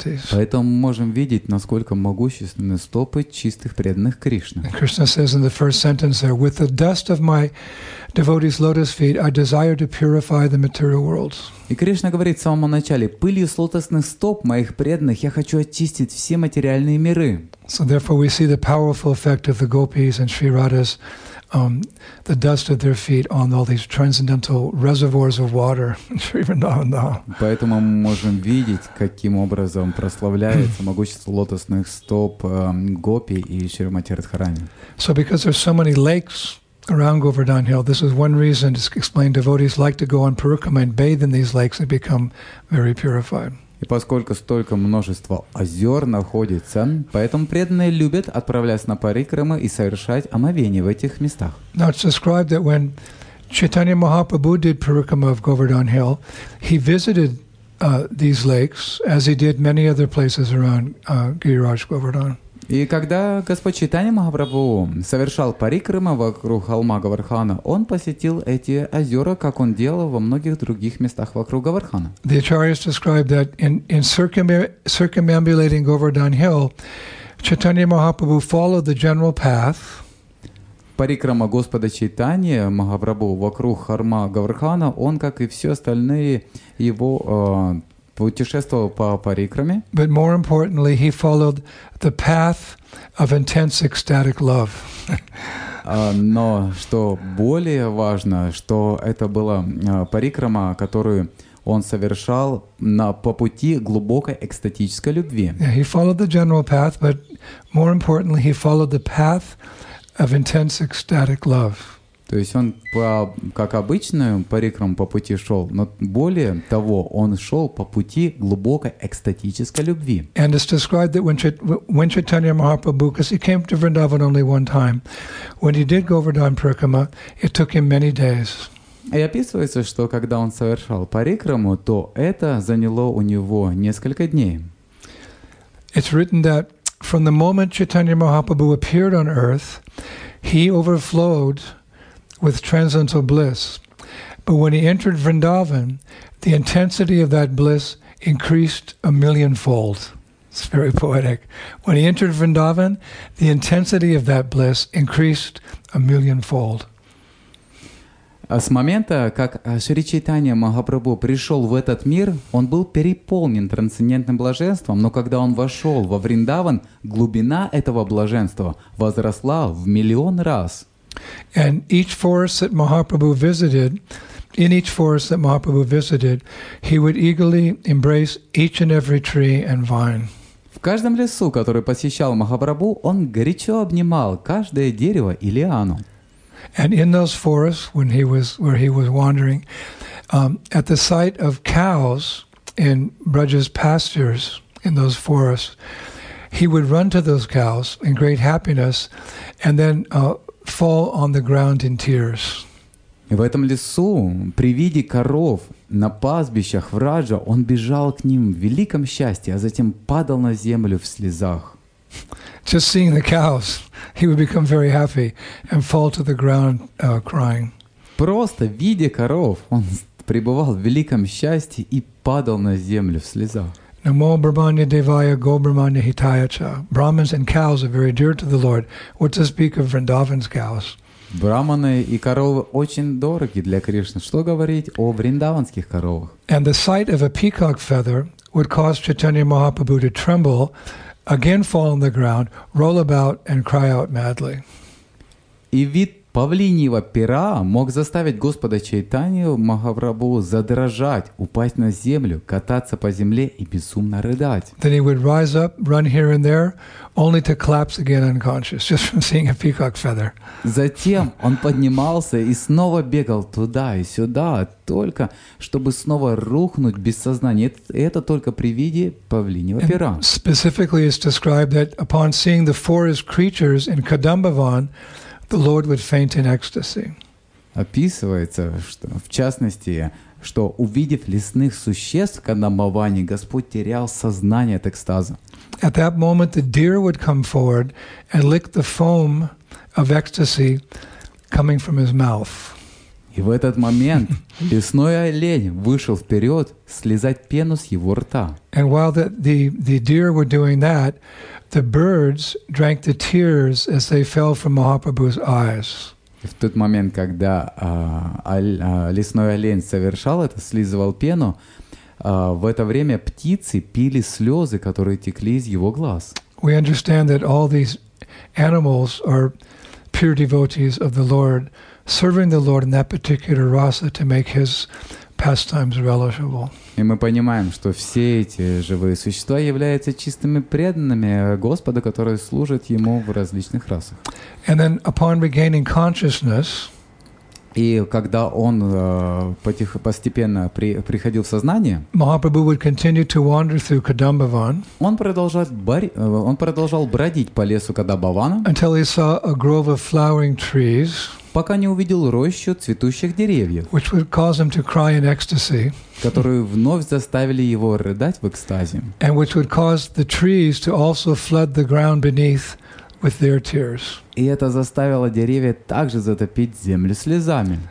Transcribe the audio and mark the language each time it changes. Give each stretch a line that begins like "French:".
Russian: Поэтому мы можем видеть, насколько могущественны стопы чистых преданных Кришны.
English: Krishna says in the first sentence there, with the dust of my devotees' lotus feet, I desire to purify the material world.
Russian: И Кришна говорит в самом начале, пылью с лотосных стоп моих преданных я хочу очистить все материальные миры.
English: So therefore we see the powerful effect of the gopis and Sri Radha's the dust of their feet on all these transcendental reservoirs of water in Sri Vrindavana.
Russian: Поэтому мы можем видеть, каким образом прославляется могущество лотосных стоп гопи и Шримати Радхарани.
English: So because there's so many lakes around Govardhan Hill, this is one reason to explain devotees like to go on parikrama and bathe in these lakes and become very purified.
Russian: И поскольку столько множества озер находится, поэтому преданные любят отправляться на парикрамы и совершать омовение в этих местах.
English: Now it's described that when Chaitanya Mahaprabhu did parikrama of Govardhan Hill, he visited these lakes as he did many other places around Giriraj Govardhan.
Russian: И когда Господь Чайтанья Махапрабху совершал парикрама вокруг холма Говардхана, он посетил эти озера, как он делал во многих других местах вокруг Говардхана.
English: The acharyas describe that in circumambulating Govardhan Hill, Chaitanya Mahaprabhu followed the general path.
Russian: Парикрама Господа Чайтанья Махапрабху вокруг Харма Гаврхана, он, как и все остальные, его путешествовал по парикраме.
English: But more importantly, he followed the path of intense ecstatic love.
Russian: Но что более важно, что это была парикрама, которую он совершал на, по пути глубокой экстатической любви.
English: Yeah, he followed the general path, but more importantly, he followed the path of intense ecstatic love.
Russian: То есть он по, как обычно, парикрам по пути шел, но более того, он шел по пути глубокой экстатической любви.
English: And it's described that when Chaitanya Mahaprabhu, because he came to Vrindavan only one time, when he did Govardhan Parikrama, it took him many days.
Russian: И описывается, что когда он совершал парикраму, то это заняло у него несколько дней.
English: It's written that from the moment Chaitanya Mahaprabhu appeared on earth, he overflowed with transcendental bliss. But when he entered Vrindavan, the intensity of that bliss increased a millionfold. It's very poetic. When he entered Vrindavan, the intensity of that bliss increased a millionfold.
Russian: С момента, как Шри Чайтанья Махапрабху пришел в этот мир, он был переполнен трансцендентным блаженством, но когда он вошел во Вриндаван, глубина этого блаженства возросла в миллион раз.
English: And each forest that Mahaprabhu visited, in each forest that Mahaprabhu visited, he would eagerly embrace each and every tree and vine.
Russian: В каждом лесу, который посещал Махапрабху, он горячо обнимал каждое дерево и лиану.
English: And in those forests, when he was where he was wandering, at the sight of cows in Braj's pastures in those forests, he would run to those cows in great happiness, and then fall on the ground in tears.
Russian: В этом лесу, при виде коров на пастбищах Враджа, он бежал к ним в великом счастье, а затем падал на землю в слезах.
English: Just seeing the cows, he would become very happy and fall to the ground crying.
Russian: Просто видя коров, он пребывал в великом счастье и падал на землю в слезах.
Sanskrit: Namo Brahmanya Devaya Go Brahmanya Hitayacha.
English: Brahmins and cows are very dear to the Lord. What to speak of Vrindavan's cows?
Russian: Брахманы и коровы очень дороги для Кришны. Что говорить о вриндаванских коровах?
English: And the sight of a peacock feather would cause Chaitanya Mahaprabhu to tremble, again fall on the ground, roll about and cry out madly.
Russian: И вид павлиньего пера мог заставить Господа Чайтанью Махапрабху задрожать, упасть на землю, кататься по земле и безумно рыдать.
English: Then he would rise up, run here and there, only to collapse again unconscious, just from seeing a peacock feather.
Russian: Затем он поднимался и снова бегал туда и сюда, только чтобы снова рухнуть без сознания. Это только при виде павлиньего пера.
English: And specifically it's described that upon seeing the forest creatures in Kadambavan, the Lord would faint in ecstasy.
Russian: Описывается, что, в частности, что увидев лесных существ в Кадамбаване, Господь терял сознание от экстаза.
English: At that moment, the deer would come forward and lick the foam of ecstasy coming from his mouth.
Russian: И в этот момент лесной олень вышел вперед слезать пену с его рта.
English: And while the deer were doing that, the birds drank the tears as they fell from Mahaprabhu's eyes.
Russian: В тот момент, когда лесной олень совершал это, слизывал пену, в это время птицы пили слезы, которые текли из его глаз.
English: We understand that all these animals are pure devotees of the Lord, serving the Lord in that particular rasa to make his pastimes relishable.
Russian: И мы понимаем, что все эти живые существа являются чистыми преданными Господа, которые служат Ему в различных расах.
English: And then upon regaining consciousness,
Russian: и когда он постепенно приходил в сознание,
English: Mahaprabhu would continue to wander through Kadambavan,
Russian: он продолжал бродить по лесу Кадамбавана,
English: until he saw a grove of flowering trees,
Russian: пока не увидел рощу цветущих деревьев,
English: which would cause him to cry in ecstasy,
Russian: которые вновь заставили его рыдать в экстазе,
English: and which would cause the trees to also flood the ground beneath with their tears.
Russian: И это заставило деревья также затопить землю слезами.